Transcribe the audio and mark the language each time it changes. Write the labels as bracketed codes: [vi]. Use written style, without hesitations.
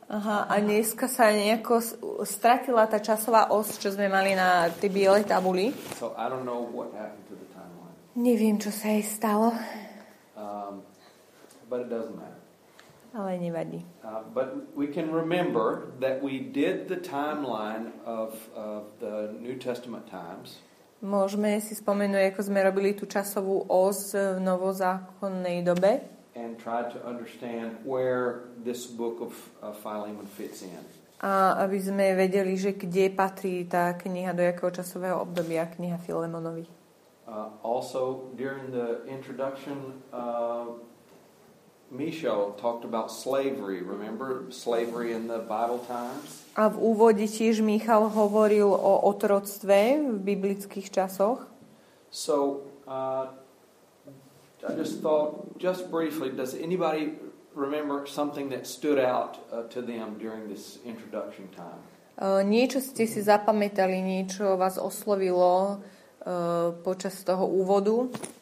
[sk] Aha, a dneska sa nejako stratila tá časová os, čo sme mali na tej bielej tabuli. [en] So I don't know what happened to the timeline. [sk] Neviem, čo sa jej stalo. [en] But it doesn't matter. [sk] Ale nevadí. [en] But we can remember that we did the timeline of the New Testament times. [sk] Môžeme si spomenúť, ako sme robili tú časovú os v novozákonnej dobe. [en] and tried to understand where this book of Philemon fits in. [sk] A aby sme vedeli, že kde patrí tá kniha, do jakého časového obdobia kniha Filemonovi. [en] Also during the introduction Michel talked about slavery, remember slavery in the Bible times? [sk] A v úvode tiež Michal hovoril o otroctve v biblických časoch. [en] So I just thought, just briefly, does anybody remember something that stood out to them during this introduction time? [sk] Niečo ste si zapamätali, niečo vás oslovilo počas toho úvodu?